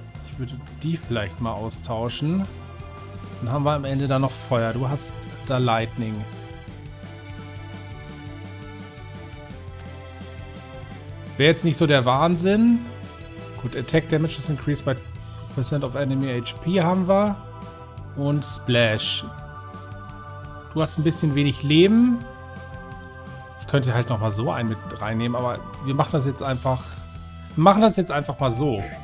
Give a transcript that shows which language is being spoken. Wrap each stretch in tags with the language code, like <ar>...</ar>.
<de>Ich würde die vielleicht mal austauschen. Dann haben wir am Ende da noch Feuer. Du hast da Lightning. Wäre jetzt nicht so der Wahnsinn. Gut,</de> <en>Attack Damage is increased by 2% of enemy HP haben wir.</en> <de>Und Splash. Du hast ein bisschen wenig Leben. Ich könnte halt nochmal so einen mit reinnehmen, aber wir machen das jetzt einfach. Wir machen das jetzt einfach mal so.</de>